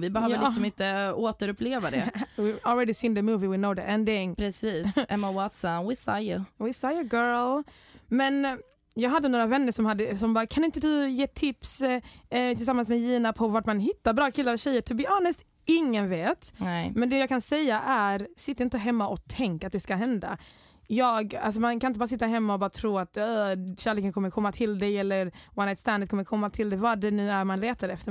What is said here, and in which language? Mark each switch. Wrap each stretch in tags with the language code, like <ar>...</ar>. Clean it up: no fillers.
<sv>Vi behöver liksom inte återuppleva det.</sv> <en>We've already seen the movie, we know the ending. Precis, Emma Watson, we saw you. We saw you, girl.</en> <sv>Men jag hade några vänner som bara, kan inte du ge tips tillsammans med Gina på vart man hittar bra killar och tjejer?</sv> <en>To be honest,</en> <sv>ingen vet. Nej. Men det jag kan säga är, sitt inte hemma och tänk att det ska hända. Man kan inte bara sitta hemma och bara tro att kärleken kommer komma till dig, eller one night standet kommer komma till dig, vad det nu är man letar efter.</sv>